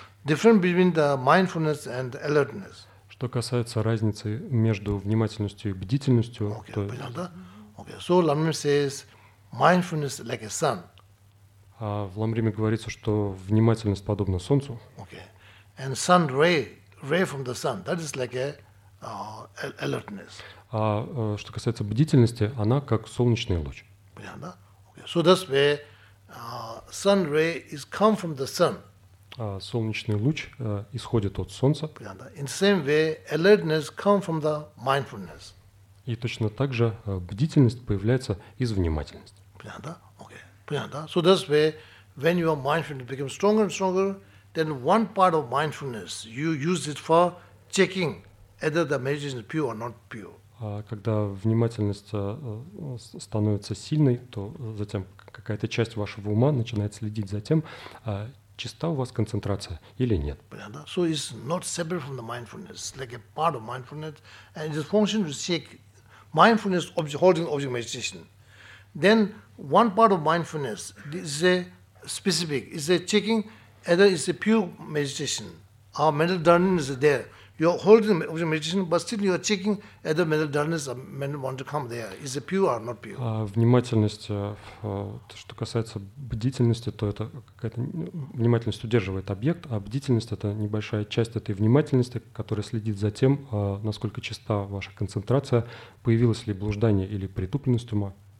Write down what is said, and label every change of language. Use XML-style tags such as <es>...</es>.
<en>Difference between the mindfulness and alertness.</en> <ru>Что касается разницы между внимательностью и бдительностью,</ru> <en>okay, то…</en> <ru>Понятно, да?</ru> <en>Okay. So, Lamrim says, mindfulness like a sun.</en> <ru>А в Ламриме говорится, что внимательность подобна солнцу.</ru> <en>Okay. And sun ray from the sun, that is like a alertness.</en> <ru>А что касается бдительности, она как солнечный луч. Понятно, да? Okay.</ru> <en>So that's where sun ray is come from the sun.</en> <ru>Солнечный луч исходит от солнца. Понятно, да?</ru> <en>In the same way, alertness come from the mindfulness.</en> <ru>И точно так же бдительность появляется из внимательности. Понятно, да? Okay. Понятно, да?</ru> <en>So that's where when your mindfulness becomes stronger and stronger, then one part of mindfulness, you use it for checking whether the meditation is pure or not pure.</en> <ru>Когда внимательность становится сильной, то затем какая-то часть вашего ума начинает следить за тем, чиста у вас концентрация или нет. Понятно?</ru> <en>So it's not separate from the mindfulness, like a part of mindfulness, and it's function to check mindfulness holding object meditation. Then one part of mindfulness is a specific, is a checking whether it's a pure meditation. Our mental dullness is there. You're holding the meditation, but still you're checking whether mental dullness or mental want to come there. Is it pure or not pure?</en> <ru>Внимательность, что касается бдительности, то это какая-то внимательность удерживает объект, а бдительность – это небольшая часть этой внимательности, которая следит за тем, насколько чиста ваша концентрация, появилось ли блуждание или притупленность ума.</ru>